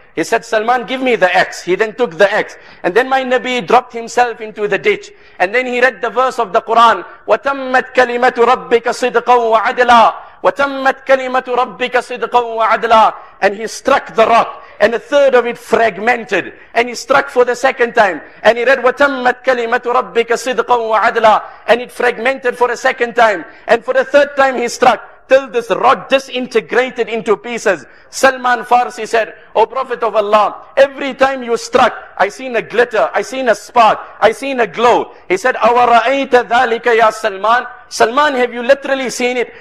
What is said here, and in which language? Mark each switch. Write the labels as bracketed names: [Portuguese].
[English] He said, Salman, give me the axe. He then took the axe. And then my Nabi dropped himself into the ditch. And then he read the verse of the Quran. [Arabic] وَتَمَّتْ كَلِمَةُ رَبِّكَ صِدْقًا وَعَدْلًا وَتَمَّتْ كَلِمَةُ رَبِّكَ صِدْقًا وَعَدْلًا. [English] And he struck the rock. And a third of it fragmented. And he struck for the second time. And he read, [Arabic] وَتَمَّتْ كَلِمَةُ رَبِّكَ صِدْقًا وَعَدْلًا. [English] And it fragmented for a second time. And for the third time he struck. Till this rod disintegrated into pieces. Salman Farsi said, O Prophet of Allah, every time you struck, I seen a glitter, I seen a spark, I seen a glow. He said, [Arabic] أَوَرَأَيْتَ ذَلِكَ يَا [English] Salman? Salman, have you literally seen it?